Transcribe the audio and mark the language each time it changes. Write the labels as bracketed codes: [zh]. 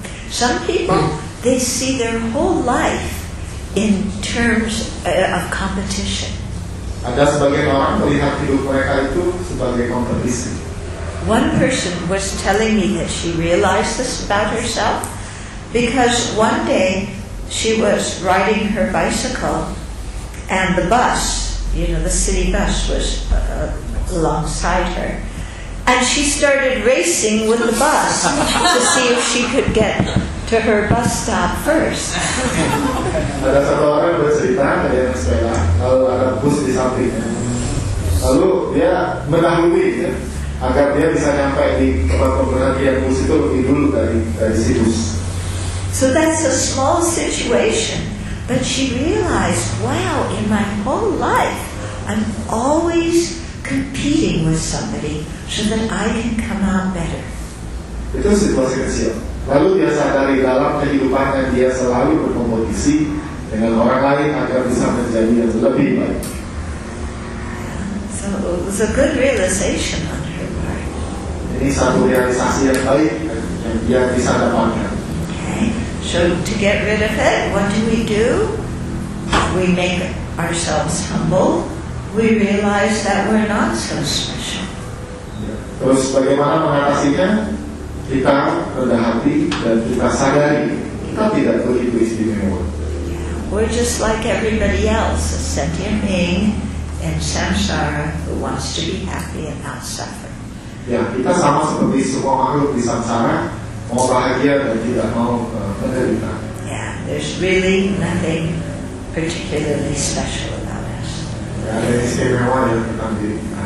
[en] Some people, they see their whole life in terms of competition. [id] Ada sebagian orang melihat hidup mereka itu sebagai kompetisi. [en] One person was telling me that she realized this about herself because one day she was riding her bicycle and the bus, you know, the city bus was alongside her. And she started racing with the bus to see if she could get to her bus stop first. [id] Ada satu orang bercerita dari yang sepeda, lalu ada bus di sampingnya. Lalu dia menanggungi ya, agar dia bisa sampai di tempat pemberhentian bus itu lebih dulu dari si bus. [en] So that's a small situation, but she realized, wow, in my whole life, I'm always competing with somebody so that I can come out better. [id] Itu situasi kecil. Lalu dia sadari dalam kehidupannya dia selalu berkompetisi dengan orang lain agar bisa menjadi yang lebih baik. [en] So it was a good realization on her part. [id] Ini satu realisasi yang baik yang dia bisa dapatkan. [en] So to get rid of it, what do? We make ourselves humble. We realize that we're not so special. [id] Terus bagaimana mengatasinya? Kita rendah hati dan kita sadari kita tidak begitu istimewa. [en] We're just like everybody else, a sentient being in samsara who wants to be happy and not suffer. [id] Ya, kita sama seperti semua makhluk di samsara, mau bahagia dan tidak mau menderita. [en] Yeah, there's really nothing particularly special about us. [id] Ya, ada istimewa yang kita diri.